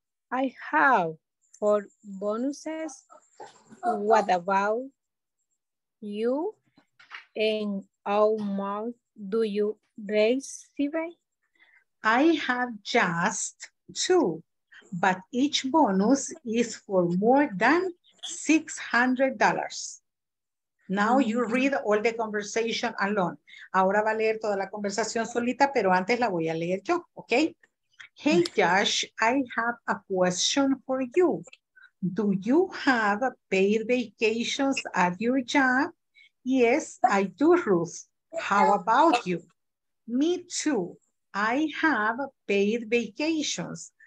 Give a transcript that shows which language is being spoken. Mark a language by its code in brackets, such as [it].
[en] I have 4 bonuses. What about you? And how much do you receive? I have just 2, but each bonus is for more than $600. Now you read all the conversation alone. [es] Ahora va a leer toda la conversación solita, pero antes la voy a leer yo, okay? [en] Hey Josh, I have a question for you. Do you have paid vacations at your job? Yes, I do, Ruth. How about you? Me too. I have paid vacations.